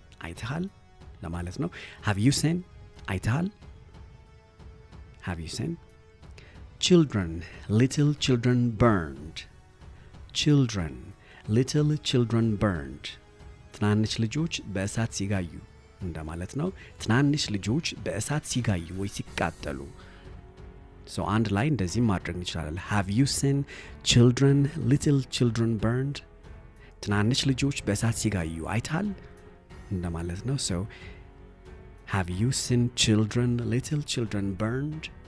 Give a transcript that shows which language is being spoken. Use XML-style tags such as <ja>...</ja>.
<am>አይተሃል ለማለት ነው።</am> <en>Have you seen?</en> <am>አይተሃል?</am> <en>Have you seen? Children, little children burned. Children, little children burned.</en> <am>ትናንሽ ልጆች በእሳት ሲጋዩ እንደማለት ነው። ትናንሽ ልጆች በእሳት ሲጋዩ ወይ ሲቃጠሉ። So and line እንደዚህ ማድረግ እንችላለን።</am> <en>Have you seen children, little children burned?</en> <am>ትናንሽ ልጆች በእሳት ሲጋዩ አይታል እንደማለት ነው።</am> <en>So have you seen children, little children burned?</en>